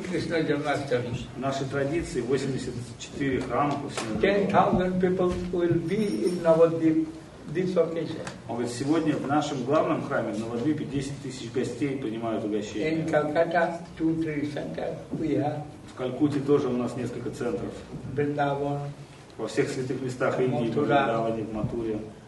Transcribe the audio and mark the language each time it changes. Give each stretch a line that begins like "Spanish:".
Russian: В нашей традиции 84 храма по всему миру.
English: 10,000 people will be in Navadvip this occasion.
Russian: Он говорит, сегодня в нашем главном храме в Навадвипе 10,000 гостей принимают угощение.
English: In Calcutta 2-3 centers.
Russian: В Калькутте тоже у нас несколько центров. Бриндаван. Во всех святых местах Индии, в Бриндаване, в Матуре.